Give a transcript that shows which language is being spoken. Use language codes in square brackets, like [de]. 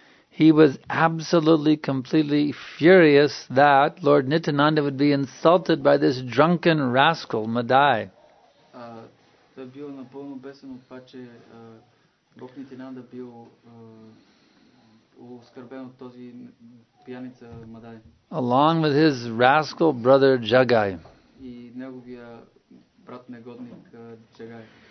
[en] He was absolutely, completely furious that Lord Nityananda would be insulted by this drunken rascal, Madai. [bg] Това било напълно бесен от това, че Бог Нитинанда бил оскърбен от този пияница Мадай. [en] Along with his rascal brother Jagai. [bg] И неговия брат негодник Jagai.